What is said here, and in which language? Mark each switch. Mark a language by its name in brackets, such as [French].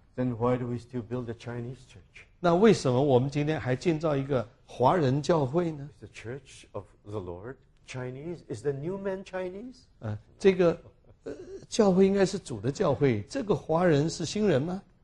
[English] Then why do we still build a Chinese church? [Chinese] 那为什么我们今天还建造一个华人教会呢？ [English] The church of the Lord, Chinese, is the new man Chinese? [Chinese] 这个教会应该是主的教会，这个华人是新人吗？